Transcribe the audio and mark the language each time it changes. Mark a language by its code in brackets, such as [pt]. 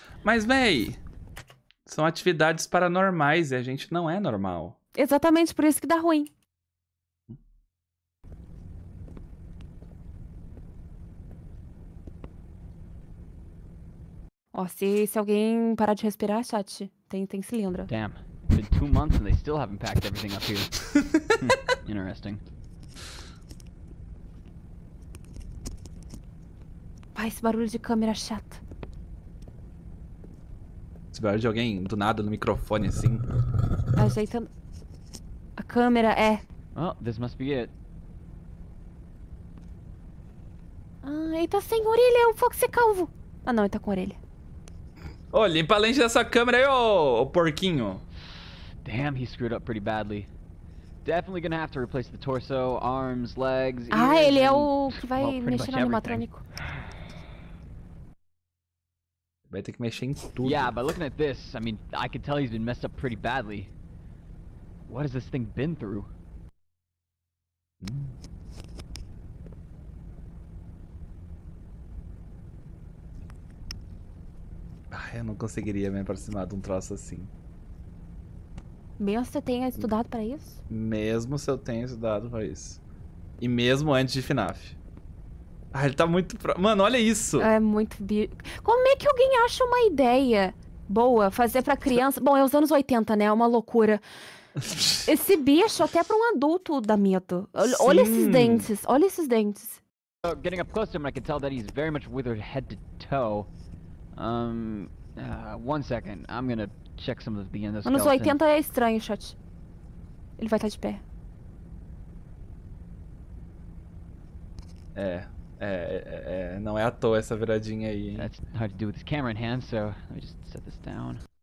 [pt] Mas, véi, são atividades paranormais e a gente não é normal. Exatamente, por isso que dá ruim. Ó, se alguém parar de respirar, chat, tem cilindro. [en] Damn. It's been 2 months and they still haven't packed everything up here. Interesting. [pt] Vai, esse barulho de câmera chato. Esse barulho de alguém do nada no microfone assim. Ajeitando. A câmera é. [en] Well, this must be it. [pt] Ah, ele tá sem orelha, é um Foxy Calvo. Ah não, ele tá com orelha. Ô, oh, limpa a lente dessa câmera aí, ô porquinho. [en] Damn, he screwed up pretty badly. Definitely gonna have to replace the torso, arms, legs, ears, [pt] ah, ele é o que vai mexer no animatrônico. Vai ter que mexer em tudo. [en] Yeah, but looking at this, I mean, I can tell he's been messed up pretty badly. What has this thing been through? [pt] Ai, eu não conseguiria me aproximar de um troço assim. Mesmo se eu tenha estudado pra isso? Mesmo se eu tenha estudado pra isso. E mesmo antes de FNAF. Ah, ele tá muito... Mano, olha isso! É muito... Como é que alguém acha uma ideia boa fazer pra criança... Bom, é os anos 80, né? É uma loucura. Esse bicho até pra um adulto dá medo. Olha esses dentes. Olha esses dentes. [en] Getting up close to him, I can tell that he's very much withered head to toe. One second. I'm gonna... Check some of the endoskeleton. [pt] Anos 80 é estranho, chat. Ele vai estar de pé. É. Não é à toa essa viradinha aí, hein? [en] That's hard to do with this camera in hand, so let me just set this down.